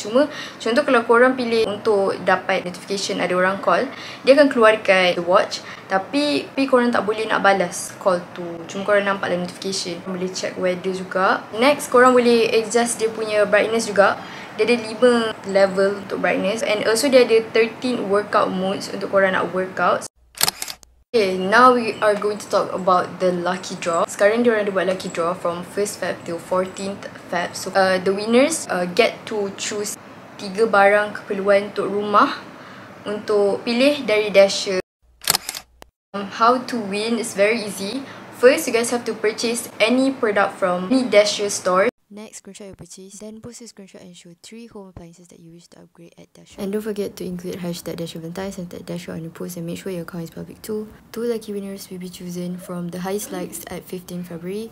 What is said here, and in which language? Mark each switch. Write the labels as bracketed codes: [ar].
[ms] Cuma contoh kalau korang pilih untuk dapat notification ada orang call, dia akan keluarkan the watch. Tapi korang tak boleh nak balas call tu. Cuma korang nampak lah notification. Korang boleh check weather juga. Next, korang boleh adjust dia punya brightness juga. Dia ada 5 level untuk brightness. And also dia ada 13 workout modes untuk korang nak workout. [en] Okay, now we are going to talk about the lucky draw. [ms] Sekarang diorang ada buat lucky draw [en] from 1st Feb till 14th Feb. So the winners get to choose [ms] 3 barang keperluan untuk rumah untuk pilih dari Dasher. [en] How to win is very easy. First, you guys have to purchase any product from any Dasher store. Next, screenshot your purchase. Then post a screenshot and show 3 home appliances that you wish to upgrade at Dasher. And don't forget to include hashtag DasherValentine's and tag Dasher on your post and make sure your account is public too. 2 lucky winners will be chosen from the highest likes at 15 February.